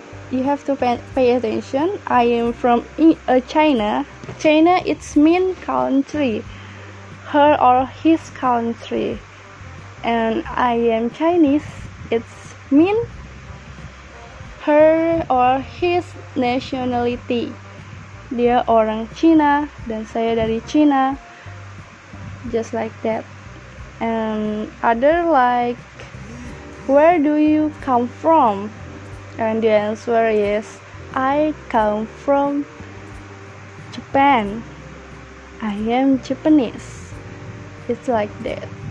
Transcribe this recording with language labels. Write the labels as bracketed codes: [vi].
[en] You have to pay attention. I am from China. China, it's mean country. Her or his country. And I am Chinese, it's mean her or his nationality. [id] Dia orang Cina dan saya dari Cina. [en] Just like that. And other like, where do you come from? And the answer is, I come from Japan. I am Japanese. It's like that.